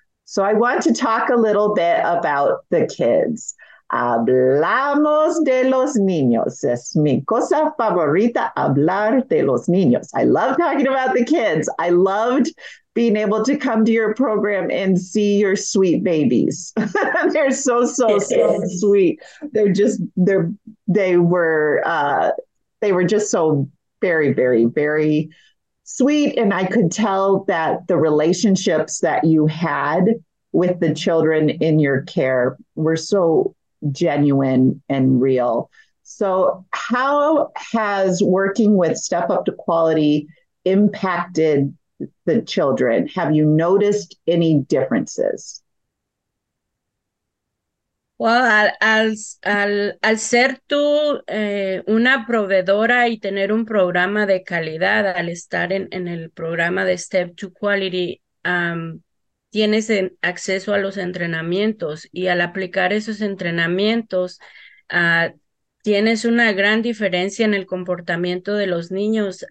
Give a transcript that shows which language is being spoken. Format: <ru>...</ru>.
<en>So I want to talk a little bit about the kids.</en> <es>Hablamos de los niños. Es mi cosa favorita, hablar de los niños.</es> <en>I love talking about the kids. I loved being able to come to your program and see your sweet babies. They're so, so, so sweet. They were just so very, very, very sweet. And I could tell that the relationships that you had with the children in your care were so genuine and real. So how has working with Step Up to Quality impacted the children? Have you noticed any differences?</en> <es>Well, al ser tú una proveedora y tener un programa de calidad, al estar en el programa de Step to Quality, tienes acceso a los entrenamientos, y al aplicar esos entrenamientos, tienes una gran diferencia en el comportamiento de los niños.</es>